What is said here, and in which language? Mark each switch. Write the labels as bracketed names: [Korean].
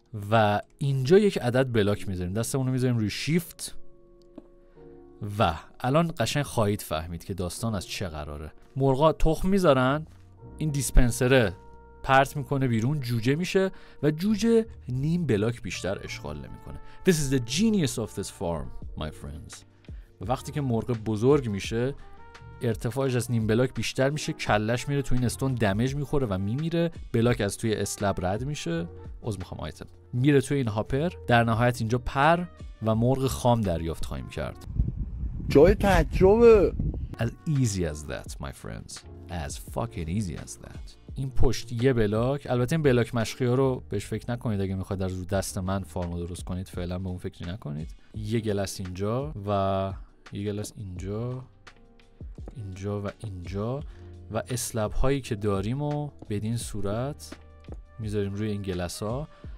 [Persian] و اینجا یک عدد بلاک میذاریم، دستمونو میذاریم روی شیفت و الان قشنگ خواهید فهمید که داستان از چه قراره. مرغا تخم میذارن، این دیسپنسره پرت میکنه بیرون، جوجه میشه و جوجه نیم بلاک بیشتر اشغال نمیکنه. [English] This is the genius of this farm, my friends. [Persian] و وقتی که مرغ بزرگ میشه، ارتفاعش از نیم بلاک بیشتر میشه، کلش میره توی این استون، دمیج میخوره و میمیره، بلاک از توی اسلب رد میشه، عذرخواهم آیتم، میره توی این هاپر، در نهایت اینجا پر و مرغ خام دریافت خواهیم کرد. جای تعجبه. [English] As easy as that, my friends. As fucking easy as that. [Persian] این پشت یه بلاک، البته این بلاک مشقی ها رو بهش فکر نکنید، اگه میخواید در زود دست من فارم رو درست کنید فعلا به اون فکری نکنید. یه گلس اینجا و یه گلس اینجا، اینجا و اینجا و اسلب هایی که داریم رو بدین صورت میذاریم روی این گلس ها.